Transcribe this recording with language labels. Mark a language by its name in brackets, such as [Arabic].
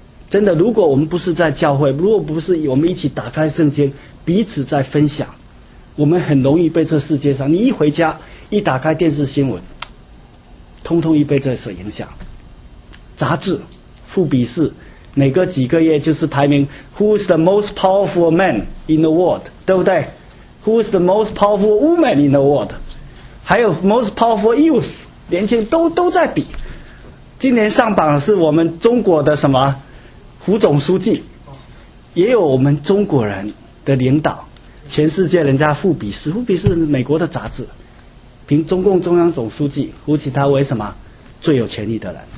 [Chinese] 真的，如果我们不是在教会，如果不是我们一起打开圣经彼此在分享，我们很容易被这世界上，你一回家一打开电视新闻，通通一被这所影响。杂志富比士每个几个月就是排名 [English] Who's the most powerful man in the world， [Chinese] 对不对？ [English] Who's the most powerful woman in the world， [Chinese] 还有 [English] most powerful youth， [Chinese] 年轻都在比。今年上榜是我们中国的什么胡总书记，也有我们中国人的领导，全世界人家富比士，富比士是美国的杂志，评中共中央总书记胡锦涛为什么最有权力的人。